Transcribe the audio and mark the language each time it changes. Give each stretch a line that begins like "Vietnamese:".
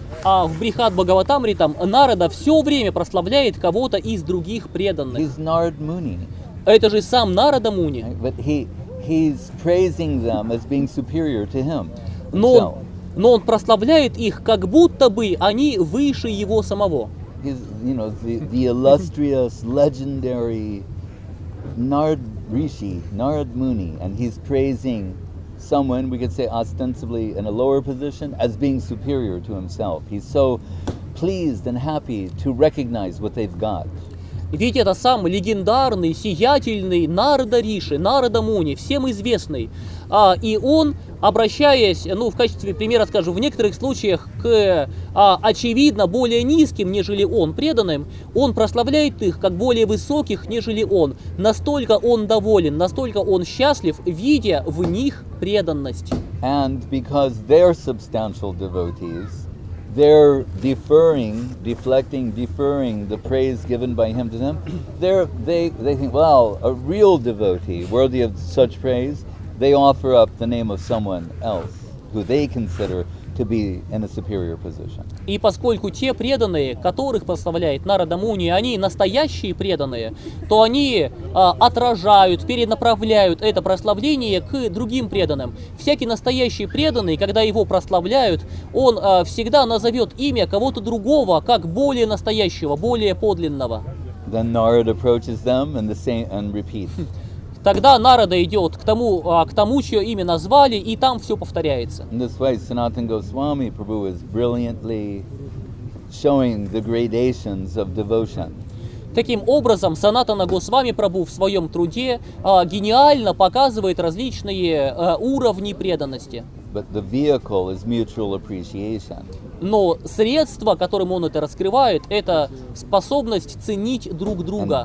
Russian: А в Брихад Бхагаватамритам Нарада все время прославляет кого-то из других преданных.
English: He's Narad Muni.
Russian: Это же сам Нарада Муни.
English: He's praising them as being superior to him.
Russian: Но он прославляет их, как будто бы они выше его самого.
English: He's, you know, the illustrious, legendary Narad Rishi, Narad Muni, and he's praising someone, we could say ostensibly in a lower position, as being superior to himself. He's so pleased and happy to recognize what they've got.
Russian: Ведь это сам легендарный, сиятельный Нарада Риши, Нарада Муни, всем известный. И он, обращаясь, ну, в качестве примера скажу, в некоторых случаях к, очевидно, более низким, нежели он, преданным, он прославляет их как более высоких, нежели он. Настолько он доволен, настолько он счастлив, видя в них преданность.
English: And because they're substantial devotees, they're deferring, deflecting, deferring the praise given by him to them. They think, well, a real devotee worthy of such praise, they offer up the name of someone else who they consider to be in a superior position.
Russian: И поскольку те преданные, которых прославляет Нарада Муни, они настоящие преданные, то они отражают, перенаправляют это прославление к другим преданным. Всякий настоящий преданный, когда его прославляют, он всегда назовет имя кого-то другого как более настоящего, более подлинного.
English: Then Narada approaches them and the same and repeats.
Russian: Тогда Нарада идет к тому, чье имя назвали, и там все повторяется.
English: In this way, Sanatana Goswami Prabhu is brilliantly showing the gradations of devotion.
Russian: Таким образом, Санатана Госвами Прабху в своем труде гениально показывает различные уровни преданности.
English: But the vehicle is mutual appreciation.
Russian: Но средство, которым он это раскрывает, это способность ценить друг друга.